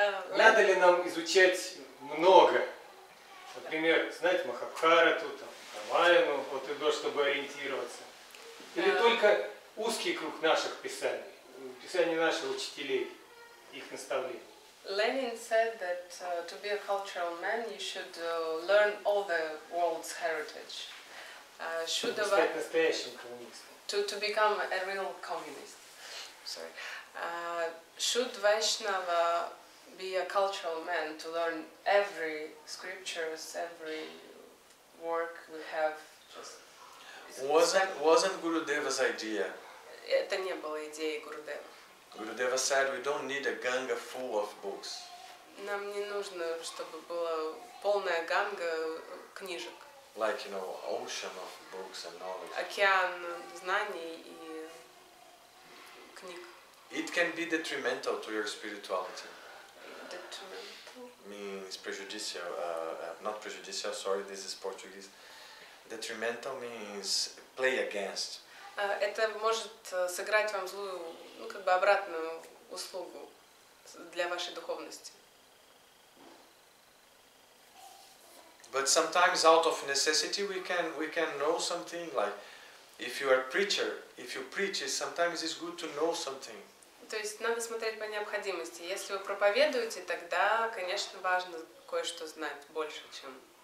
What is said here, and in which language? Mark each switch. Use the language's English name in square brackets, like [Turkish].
[Russian] Надо ли нам изучать много? Например, знать Махабхарату, там, Рамаяну, вот и то, чтобы ориентироваться. Или только узкий круг наших писаний, писаний наших учителей, их наставлений. [English] Lenin said that to be a cultural man, you should learn all the world's heritage. To become a real communist. Sorry. Should Vaishnava be a cultural man to learn every scriptures, every work we have? Wasn't Gurudeva's idea? [Russian] Это не была идея Гурудева. [English] Gurudeva said, "We don't need a Ganga full of books." [Russian] Нам не нужно, чтобы была полная Ганга книжек. [English] Like, you know, ocean of books and knowledge. [Russian] Океан знаний и книг. [English] It can be detrimental to your spirituality. Detrimental. Means prejudicial. Not prejudicial. Sorry, this is Portuguese. Detrimental means play against. [Russian] Это может сыграть вам злую, ну, как бы обратную услугу для вашей духовности. [English] But sometimes out of necessity we can know something, like if you are a preacher, if you preach, sometimes it's good to know something. [Russian] То есть надо смотреть по необходимости. Если вы проповедуете, тогда, конечно, важно кое-что знать больше, чем.